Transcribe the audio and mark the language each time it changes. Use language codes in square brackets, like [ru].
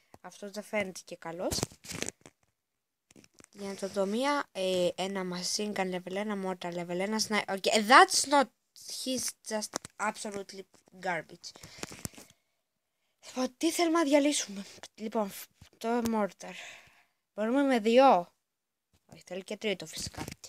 [el] Αυτό δεν φαίνεται και καλός. Για να το δω μία, ένα machine gun level, ένα mortar level, ένα sniper. [en] Okay, that's not, he's just absolutely garbage. [el] Λοιπόν, τι θέλουμε να διαλύσουμε. Λοιπόν, το mortar. Μπορούμε με δύο. Όχι, θέλει και τρίτο φυσικά.